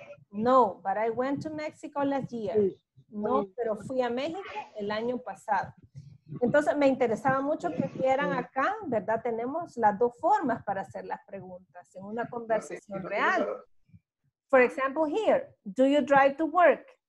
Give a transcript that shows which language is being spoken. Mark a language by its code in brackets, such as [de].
[en] No, but I went to Mexico last year. [es] No, pero fui a México el año pasado. Entonces, me interesaba mucho que vieran acá, ¿verdad? Tenemos las dos formas para hacer las preguntas en una conversación real. [en] For example, here, do you drive to work?